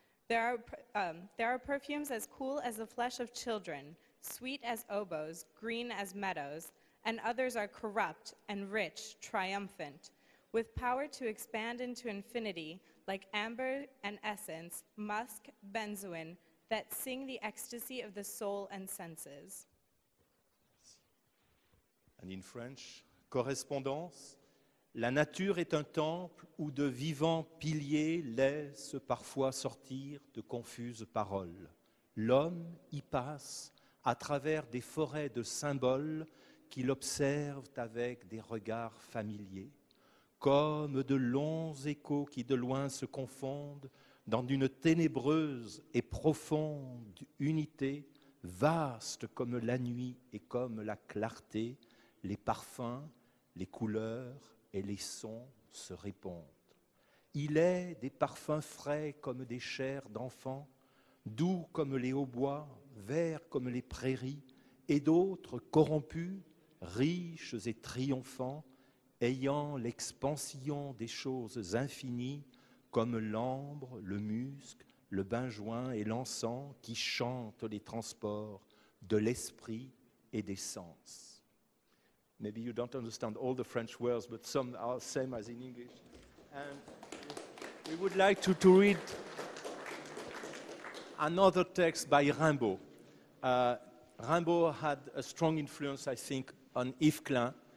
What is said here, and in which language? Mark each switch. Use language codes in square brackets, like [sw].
[en] There are perfumes as cool as the flesh of children, sweet as oboes, green as meadows, and others are corrupt and rich, triumphant, with power to expand into infinity like amber and essence, musk, benzoin, that sing the ecstasy of the soul and senses. And in French, correspondance. [fr] La nature est un temple où de vivants piliers laissent parfois sortir de confuses paroles. L'homme y passe à travers des forêts de symboles qu'il observe avec des regards familiers, comme de longs échos qui de loin se confondent dans une ténébreuse et profonde unité, vaste comme la nuit et comme la clarté, les parfums, les couleurs et les sons se répondent. Il est des parfums frais comme des chairs d'enfants, doux comme les hautbois, verts comme les prairies, et d'autres corrompus, riches et triomphants, ayant l'expansion des choses infinies, comme l'ambre, le musc, le benjoin et l'encens qui chantent les transports de l'esprit et des sens. [en] Maybe you don't understand all the French words, but some are same as in English. And we would like to read another text by Rimbaud. Rimbaud had a strong influence, I think, on Yves Klein.